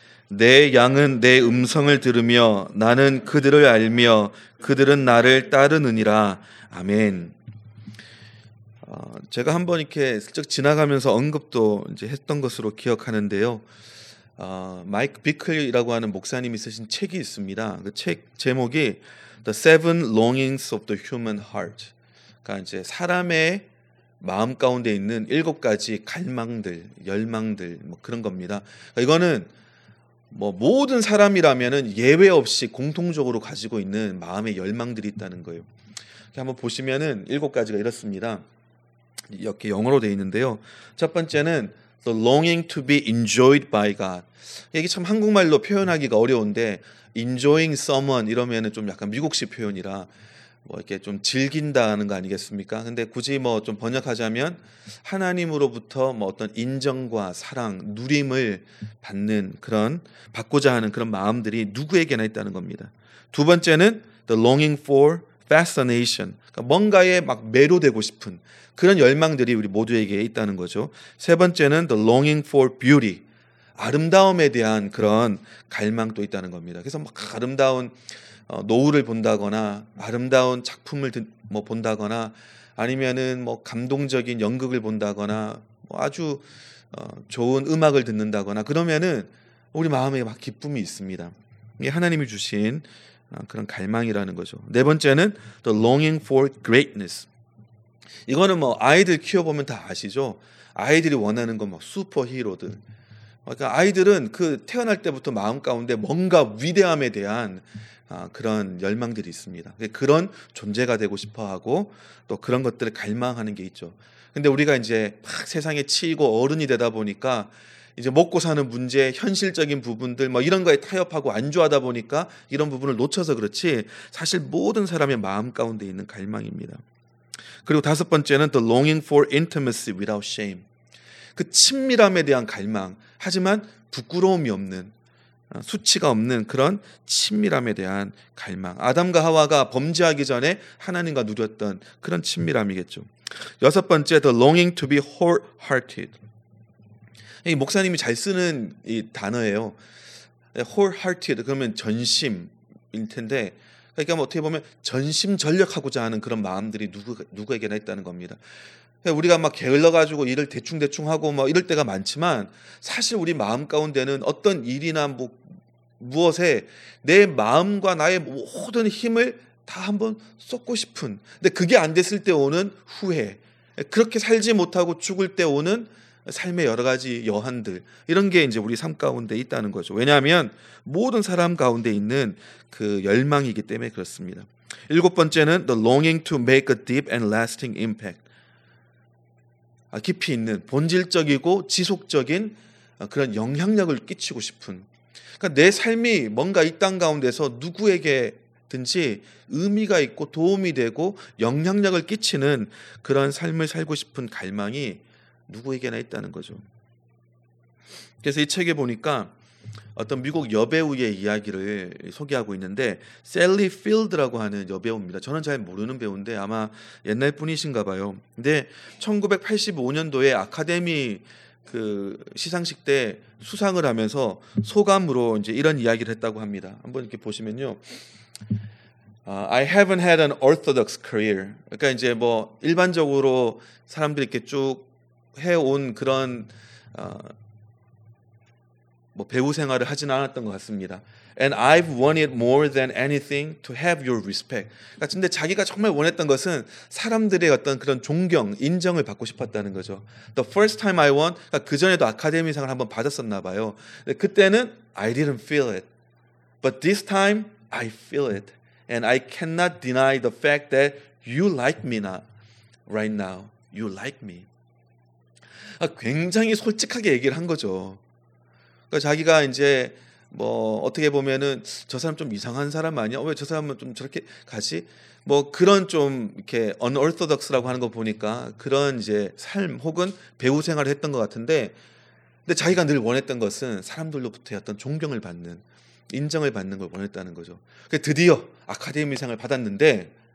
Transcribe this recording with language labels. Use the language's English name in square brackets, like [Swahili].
[Korean] 내 양은 내 음성을 들으며 나는 그들을 알며 그들은 나를 따르느니라. 아멘. 제가 한번 이렇게 슬쩍 지나가면서 언급도 이제 했던 것으로 기억하는데요. 마이크 비클이라고 하는 목사님이 쓰신 책이 있습니다. 그 책 제목이 [English] The Seven Longings of the Human Heart. [Korean] 그러니까 이제 사람의 마음 가운데 있는 일곱 가지 갈망들, 열망들 뭐 그런 겁니다. 그러니까 이거는 뭐 모든 사람이라면은 예외 없이 공통적으로 가지고 있는 마음의 열망들이 있다는 거예요. 이렇게 한번 보시면은 일곱 가지가 이렇습니다. 이렇게 영어로 돼 있는데요. 첫 번째는 [English] the longing to be enjoyed by God. [Korean] 이게 참 한국말로 표현하기가 어려운데 enjoying someone 이러면은 좀 약간 미국식 표현이라 뭐 이렇게 좀 즐긴다는 거 아니겠습니까? 근데 굳이 뭐 좀 번역하자면 하나님으로부터 뭐 어떤 인정과 사랑, 누림을 받는 그런 받고자 하는 그런 마음들이 누구에게나 있다는 겁니다. 두 번째는 [English] the longing for fascination. [Korean] 그러니까 뭔가에 막 매료되고 싶은 그런 열망들이 우리 모두에게 있다는 거죠. 세 번째는 [English] the longing for beauty. [Korean] 아름다움에 대한 그런 갈망도 있다는 겁니다. 그래서 막 아름다운 노을을 본다거나 아름다운 작품을 뭐 본다거나 아니면은 뭐 감동적인 연극을 본다거나 뭐 아주 좋은 음악을 듣는다거나 그러면은 우리 마음에 막 기쁨이 있습니다. 이게 하나님이 주신 그런 갈망이라는 거죠. 네 번째는 [English] the longing for greatness. [Korean] 이거는 뭐 아이들 키워보면 다 아시죠. 아이들이 원하는 건 막 슈퍼히어로들. 그러니까 아이들은 그 태어날 때부터 마음 가운데 뭔가 위대함에 대한 그런 열망들이 있습니다. 그런 존재가 되고 싶어하고 또 그런 것들을 갈망하는 게 있죠. 그런데 우리가 이제 막 세상에 치이고 어른이 되다 보니까 이제 먹고 사는 문제, 현실적인 부분들 뭐 이런 거에 타협하고 안주하다 보니까 이런 부분을 놓쳐서 그렇지 사실 모든 사람의 마음 가운데 있는 갈망입니다. 그리고 다섯 번째는 [English] the longing for intimacy without shame. [Korean] 그 친밀함에 대한 갈망, 하지만 부끄러움이 없는 수치가 없는 그런 친밀함에 대한 갈망. 아담과 하와가 범죄하기 전에 하나님과 누렸던 그런 친밀함이겠죠. 여섯 번째, [English] the longing to be wholehearted. [Korean] 이 목사님이 잘 쓰는 이 단어예요. wholehearted, 그러면 전심일 텐데, 그러니까 뭐 어떻게 보면 전심전력하고자 하는 그런 마음들이 누구에게나 있다는 겁니다. 우리가 막 게을러가지고 일을 대충대충 하고 막 이럴 때가 많지만 사실 우리 마음 가운데는 어떤 일이나 뭐 무엇에 내 마음과 나의 모든 힘을 다 한번 쏟고 싶은 근데 그게 안 됐을 때 오는 후회 그렇게 살지 못하고 죽을 때 오는 삶의 여러 가지 여한들 이런 게 이제 우리 삶 가운데 있다는 거죠. 왜냐하면 모든 사람 가운데 있는 그 열망이기 때문에 그렇습니다. 일곱 번째는 [English] the longing to make a deep and lasting impact. [Korean] 깊이 있는 본질적이고 지속적인 그런 영향력을 끼치고 싶은 그러니까 내 삶이 뭔가 이 땅 가운데서 누구에게든지 의미가 있고 도움이 되고 영향력을 끼치는 그런 삶을 살고 싶은 갈망이 누구에게나 있다는 거죠. 그래서 이 책에 보니까 어떤 미국 여배우의 이야기를 소개하고 있는데 셀리 필드라고 하는 여배우입니다. 저는 잘 모르는 배우인데 아마 옛날 분이신가 봐요. 근데 1985년도에 아카데미 그 시상식 때 수상을 하면서 소감으로 이제 이런 이야기를 했다고 합니다. 한번 이렇게 보시면요. [English] I haven't had an orthodox career. [Korean] 그러니까 이제 뭐 일반적으로 사람들이 이렇게 쭉 해온 그런 뭐 배우 생활을 하진 않았던 것 같습니다. [English] And I've wanted more than anything to have your respect. [Korean] 근데 자기가 정말 원했던 것은 사람들의 어떤 그런 존경, 인정을 받고 싶었다는 거죠. [English] The first time I won, [Korean] 그 전에도 아카데미상을 한번 받았었나 봐요. 그때는 [English] I didn't feel it. But this time, I feel it. And I cannot deny the fact that you like me now. Right now, you like me. [Korean] 굉장히 솔직하게 얘기를 한 거죠. 자기가 이제 뭐 어떻게 보면은 저 사람 좀 이상한 사람 아니야? 왜 저 사람은 좀 저렇게 가지? 뭐 그런 좀 이렇게 unorthodox라고 하는 거 보니까 그런 이제 삶 혹은 배우 생활을 했던 것 같은데 근데 자기가 늘 원했던 것은 사람들로부터 어떤 존경을 받는 인정을 받는 걸 원했다는 거죠. 드디어 아카데미상을 받았는데